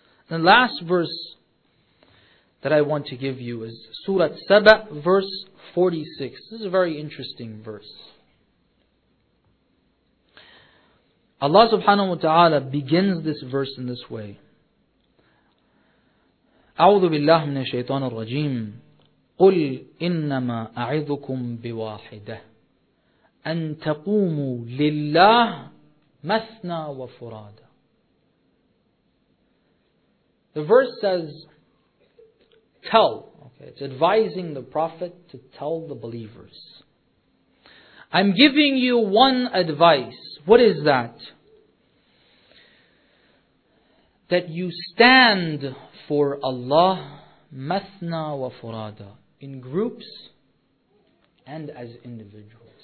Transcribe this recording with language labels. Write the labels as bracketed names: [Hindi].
[English] The last verse that I want to give you is Surah Saba, verse 46. This is a very interesting verse. Allah subhanahu wa ta'ala begins this verse in this way. [Arabic] أعوذ بالله من الشيطان الرجيم قل إنما أعظكم بواحدة أن تقوموا لله مثنى وفرادى. [English] The verse says, tell, okay, it's advising the Prophet to tell the believers. I'm giving you one advice. What is that? That you stand for Allah, [Arabic] mathna wa furada, [English] in groups and as individuals.